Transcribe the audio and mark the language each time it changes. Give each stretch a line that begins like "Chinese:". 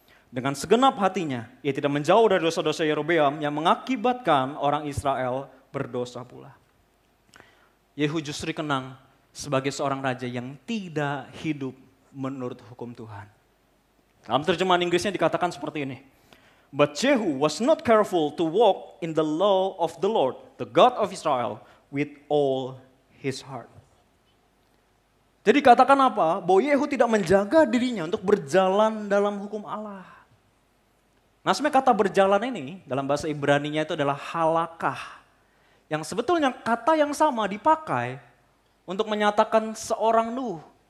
Indonesian: Dengan segenap hatinya, ia tidak menjauh dari dosa-dosa Yerobeam yang mengakibatkan orang Israel berdosa pula. Yehu justru dikenang sebagai seorang raja yang tidak hidup menurut hukum Tuhan. Dalam terjemahan Inggrisnya dikatakan seperti ini.
English: But Jehu was not careful to walk in the law of the Lord, the God of Israel, with all his heart.
Indonesian: Jadi katakan apa? Bahwa Yehu tidak menjaga dirinya untuk berjalan dalam hukum Allah. Nah sebenarnya kata berjalan ini dalam bahasa Ibrani-nya itu adalah halakah. Yang sebetulnya kata yang sama dipakai untuk menyatakan seorang Nuh.